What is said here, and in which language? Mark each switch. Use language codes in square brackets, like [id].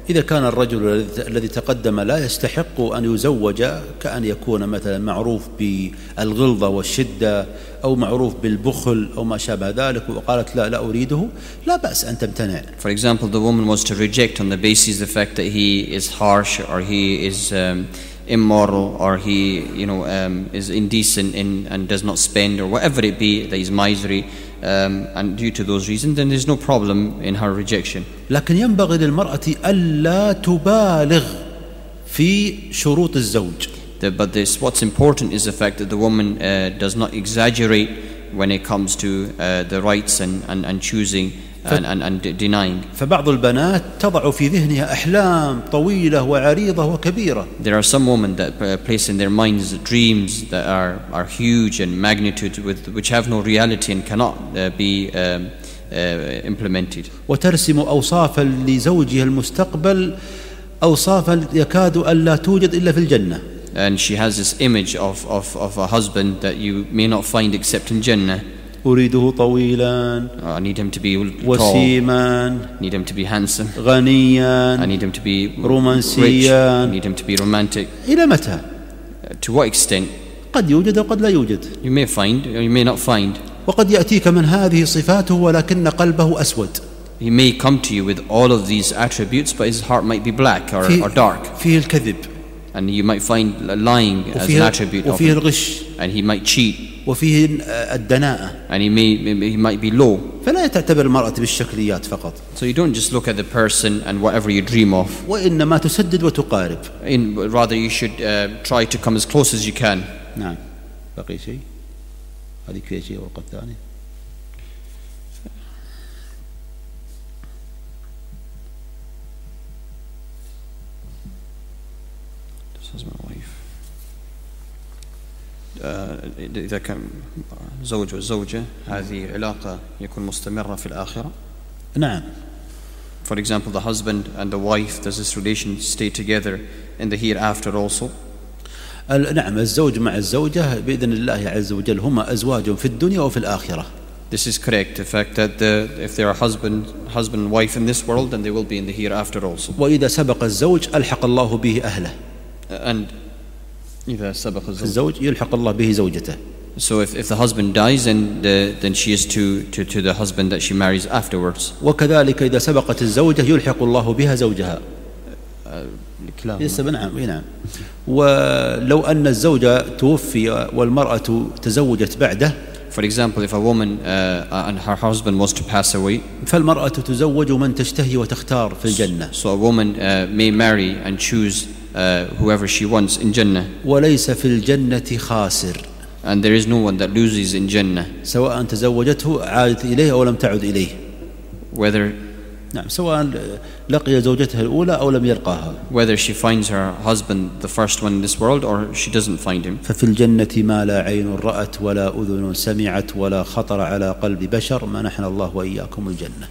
[ar] إذا كان الرجل الذي تقدم لا يستحق أن يزوج كأن يكون مثلا معروف بالغلظة والشدة أو معروف بالبخل أو ما شابه ذلك وقالت لا أريده لا بأس أن تمتنع. [en] For example, the woman was to reject on the basis of the fact that he is harsh or he is immoral or he, you know, is indecent in and does not spend or whatever it be that he's miserly, and due to those reasons, then there's no problem in her rejection. [ar] لكن ينبغي للمرأة ألا تبالغ في شروط الزوج. [en] But this, what's important is the fact that the woman does not exaggerate when it comes to the rights and choosing. And denying. [ar] فبعض البنات تضع في ذهنها أحلام طويلة وعريضة وكبيرة. [en] There are some women that place in their minds dreams that are huge and magnitude with which have no reality and cannot be implemented. [ar] وترسم أوصافا لزوجها المستقبل أوصافا يكاد ألا توجد إلا في الجنة. [en] And she has this image of a husband that you may not find except in Jannah. [ar] أريده طويلاً. [en] I need him to be tall. [ar] وسيماً. [en] Need him to be handsome. [ar] غنياً. [en] I need him to be [ar] رومانسياً. [en] Rich. Need him to be romantic. [ar] إلى متى؟ [en] To what extent? [ar] قد يوجد أو قد لا يوجد. [en] You may find or you may not find. [ar] وقد يأتيك من هذه صفاته ولكن قلبه أسود. [en] He may come to you with all of these attributes, but his heart might be black or dark. [ar] فيه الكذب. [en] And you might find lying as an attribute of him. [ar] وفيه الغش. [en] And he might cheat. [ar] وفيه الدناءة. [en] And he might be low. [ar] فلا تعتبر المرأة بالشكليات فقط. [en] So you don't just look at the person and whatever you dream of. [ar] وإنما تسدد وتقارب. [en] In rather you should try to come as close as you can. [ar] نعم. بقي شيء؟ هذه كذا شيء ورقة ثانية. إذا كان زوج وزوجة هذه علاقة يكون مستمرة في الآخرة. نعم. [en] For example, the husband and the wife, does this relation stay together in the hereafter also? [ar] نعم الزوج مع الزوجة بإذن الله عز وجل هما أزواج في الدنيا وفي الآخرة. [en] This is correct. The fact that if there are husband and wife in this world, then they will be in the hereafter also. [ar] وإذا سبق الزوج ألحق الله به أهله. And إذا سبق الزوج يلحق الله به زوجته. [en] So if the husband dies, then she is to the husband that she marries afterwards. [ar] وكذلك إذا سبقت الزوجة يلحق الله بها زوجها. الكلام. نعم. ولو أن الزوجة توفي والمرأة تزوجت بعده. [en] For example, if a woman and her husband was to pass away. [ar] فالمرأة تزوج من تشتهي وتختار في الجنة. [en] So a woman may marry and choose. Whoever she wants in Jannah. [ar] وليس في الجنة خاسر. [en] And there is no one that loses in Jannah. [ar] سواء تزوجته عادت إليه أو لم تعد إليه. [en] Whether [ar] نعم سواء لقي زوجتها الأولى أو لم يلقاها. [en] Whether she finds her husband the first one in this world or she doesn't find him. [ar] ففي الجنة ما لا عين رأت ولا أذن سمعت ولا خطر على قلب بشر ما نحن الله وإياكم الجنة.